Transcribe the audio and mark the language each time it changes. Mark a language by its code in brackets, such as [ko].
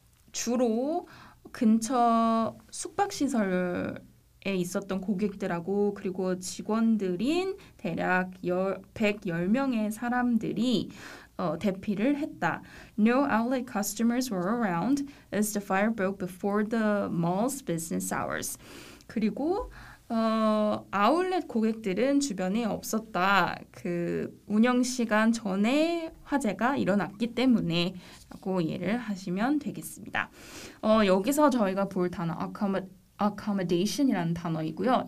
[ko] 주로 근처 숙박시설에 있었던 고객들하고 그리고 직원들인 대략 110명의 사람들이 대피를 했다. [en] No outlet customers were around as the fire broke before the mall's business hours. [ko] 그리고 아울렛 고객들은 주변에 없었다. 그 운영 시간 전에 화재가 일어났기 때문에 라고 이해를 하시면 되겠습니다. 여기서 저희가 볼 단어 accommodation이라는 단어이고요.